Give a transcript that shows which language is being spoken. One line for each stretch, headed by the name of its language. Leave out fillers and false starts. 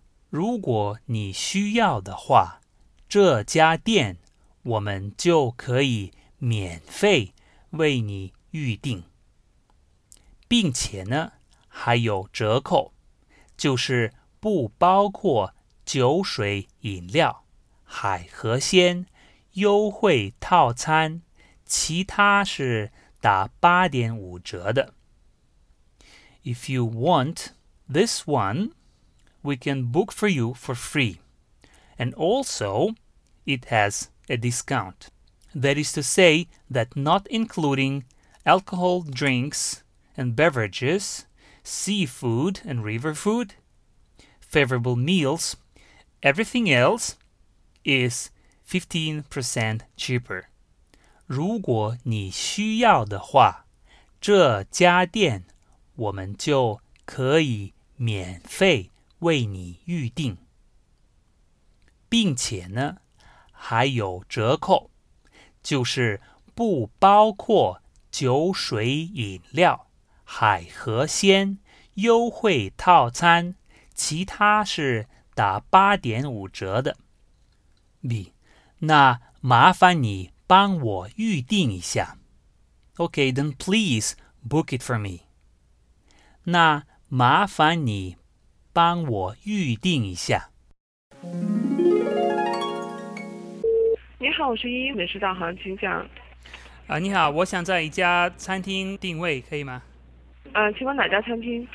Chinese: 如果你需要的话，这家店我们就可以免费为你预定，并且呢，还有折扣，就是不包括酒水饮料、海河鲜优惠套餐，其他是打8.5折的。
English: If you want this one, we can book for you for free. And also, it has a discount. That is to say that not including alcohol, drinks and beverages, seafood and river food, favorable meals, everything else is 15% cheaper.
Chinese: 如果你需要的话，这家店我们就可以免费为你预定。并且呢，还有折扣，就是不包括酒水饮料、海河鲜、优惠套餐，其他是打8.5折的。 B， 那麻烦你帮我预定一下。
English: Okay, then please book it for me.
Chinese: 那麻烦你帮我预定一下。你好，我是依依，美食导航，请讲。你好，我想在一家餐厅定位，可以吗？请问哪家餐厅？